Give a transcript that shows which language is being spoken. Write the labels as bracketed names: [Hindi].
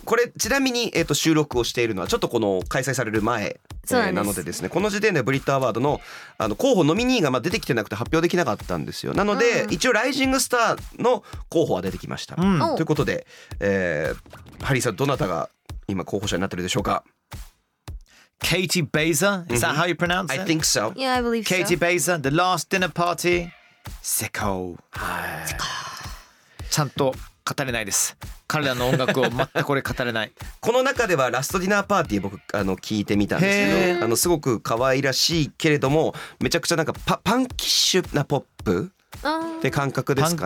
[Japanese] これちなみに、収録をしているのはちょっとこの開催される前、そうなんです。なのでですね、この時点でブリッドアワード の、 あの候補ノミニーがまあ出てきてなくて発表できなかったんですよ。なので、うん、一応ライジングスターの候補は出てきました、うん、ということで、ハリーさん、どなたが今候補者になってるでしょうか。 [English] Katie Baser? Is that how you pronounce it? I think so. Yeah, I believe so. Katie Baser, The Last Dinner Party. [Japanese] セコー。はい。セコー。ちゃんと語れないです。彼らの音楽を全くこれ語れない。この中ではラストディナーパーティー僕あの聞いてみたんですけど、あのすごく可愛らしいけれども、めちゃくちゃなんか パンキッシュなポップって感覚ですかね。